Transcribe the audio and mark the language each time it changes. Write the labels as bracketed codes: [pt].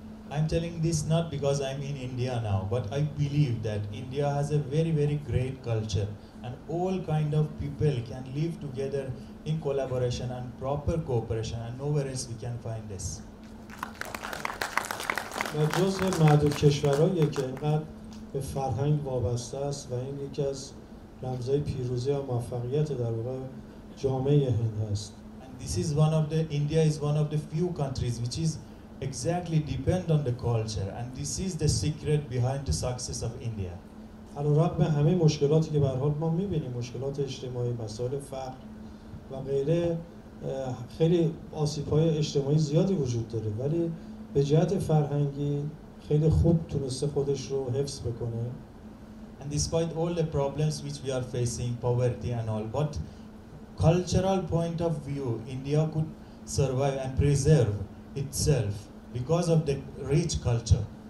[en] I'm telling this not because I'm in India now, but I believe that India has a very very great culture and all kind of people can live together in collaboration and proper cooperation and nowhere else we can find this. [fa] و جزء معدود کشورهایی که اینقدر به فرهنگ وابسته است و این یکی از رمزهای پیروزی و موفقیت در واقع جامعه هند است. [en] And this is one of the India is one of the few countries which is exactly depend on the culture and this is the secret behind the success of India. [fa] علیرغم همه مشکلاتی که به هر حال ما می‌بینیم، مشکلات اجتماعی، مسائل فقر و غیره، خیلی آسیب‌های اجتماعی زیادی وجود داره ولی به جهت فرهنگی خیلی خوب تونسته خودش رو حفظ بکنه. [en] And despite all the problems which we are facing, poverty and all, but cultural point of view, India could survive and preserve itself because of the rich culture.